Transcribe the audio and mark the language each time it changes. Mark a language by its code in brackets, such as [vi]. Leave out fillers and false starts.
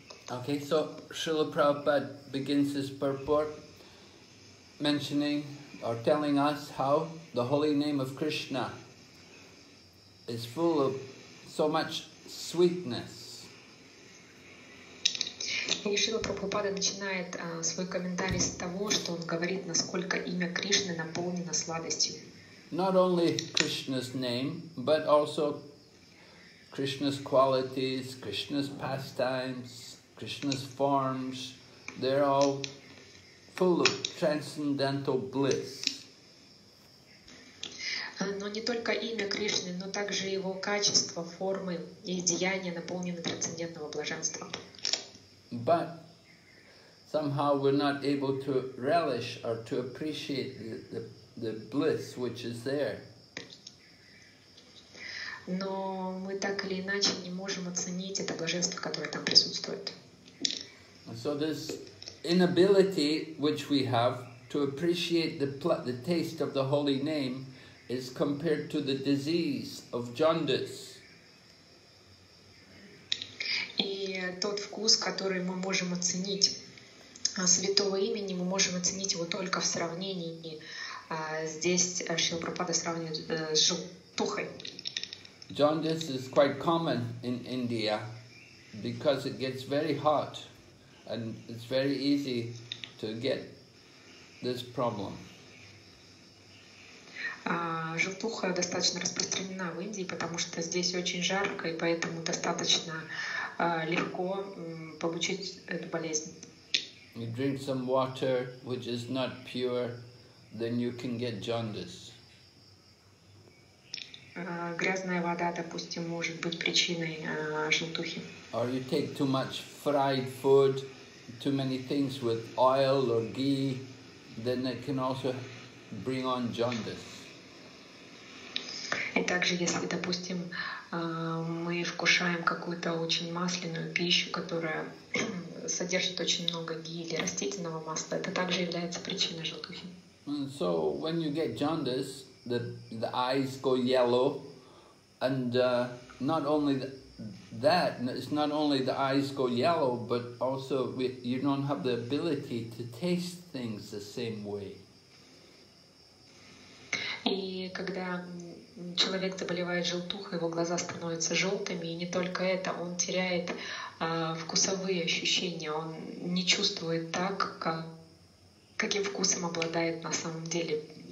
[en] Okay, so Srila Prabhupada begins his purport mentioning or telling us how the holy name of Krishna is full of so much sweetness. [ru] И Шрила Прабхупада начинает свой комментарий с того, что он говорит, насколько имя Кришны наполнено сладостью. [en] Not only Krishna's name, but also Krishna's qualities, Krishna's pastimes, Krishna's forms, they're all full of transcendental bliss. [ru] Но не только имя Кришны, но также его качества, формы и деяния наполнены трансцендентного блаженства. [en] But somehow we're not able to relish or to appreciate the bliss which is there. [ru] Но мы так или иначе не можем оценить это блаженство, которое там присутствует. [en] So this inability which we have to to appreciate the taste of the holy name is compared to the disease of jaundice. [ru] И тот вкус, который мы можем оценить святого имени, мы можем оценить его только в сравнении. Здесь Шрила Прабхупада сравнивает с желтухой. [en] Jaundice is quite common in India because it gets very hot and it's very easy to get this problem. [ru] Желтуха достаточно распространена в Индии, потому что здесь очень жарко, и поэтому достаточно легко получить эту болезнь. [en] You drink some water which is not pure, then you can get jaundice. [ru] Грязная вода, допустим, может быть причиной желтухи. [en] Or you take too much fried food, too many things with oil or ghee, then it can also bring on jaundice. [ru] И также, если, допустим, мы вкушаем какую-то очень масляную пищу, которая содержит очень много ги или растительного масла, это также является причиной желтухи. [en] So when you get jaundice, the eyes go yellow, and not only that, it's not only the eyes go yellow, but also you don't have the ability to taste things the same way. [ru] И когда человек заболевает желтухой, его глаза становятся желтыми, и не только это, он теряет вкусовые ощущения, он не чувствует так, каким вкусом обладает на самом деле.